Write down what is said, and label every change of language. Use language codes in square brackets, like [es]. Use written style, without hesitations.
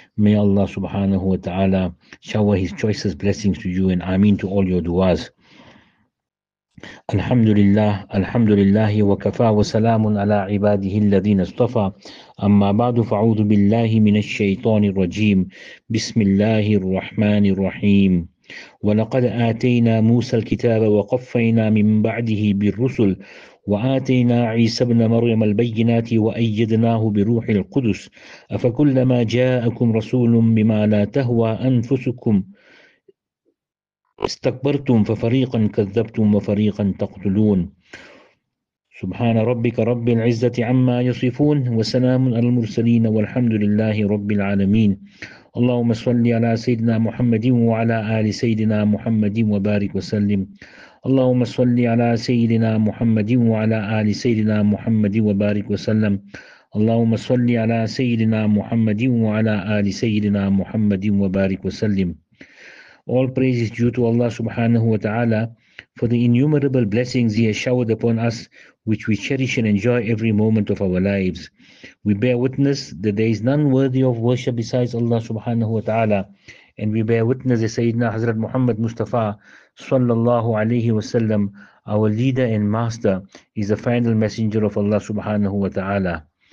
[en] May Allah subhanahu wa ta'ala shower his choicest blessings to you and آمين to all your du'as. [ar] الحمد لله الحمد لله وكفى وسلام على عباده الذين اصطفى. أما بعد فأعوذ بالله من الشيطان الرجيم. بسم الله الرحمن الرحيم. ولقد آتينا موسى الكتاب وقفينا من بعده بالرسل وآتينا عيسى ابن مريم البينات وأيدناه بروح القدس أفكلما جاءكم رسول بما لا تهوى أنفسكم استكبرتم ففريقا كذبتم وفريقا تقتلون سبحان ربك رب العزة عما يصفون وسلام على المرسلين والحمد لله رب العالمين. اللهم صل على سيدنا محمد وعلى آل سيدنا محمد وبارك وسلم. اللهم صل على سيدنا محمد وعلى آل سيدنا محمد وبارك وسلم. اللهم صل على سيدنا محمد وعلى آل سيدنا محمد وبارك وسلم. [en] All praise is due to Allah subhanahu wa ta'ala for the innumerable blessings He has showered upon us, which we cherish and enjoy every moment of our lives. We bear witness that there is none worthy of worship besides Allah subhanahu wa ta'ala. And we bear witness that Sayyidina Hazrat Muhammad Mustafa sallallahu alayhi wa sallam, our leader and master, is the final messenger of Allah subhanahu wa ta'ala.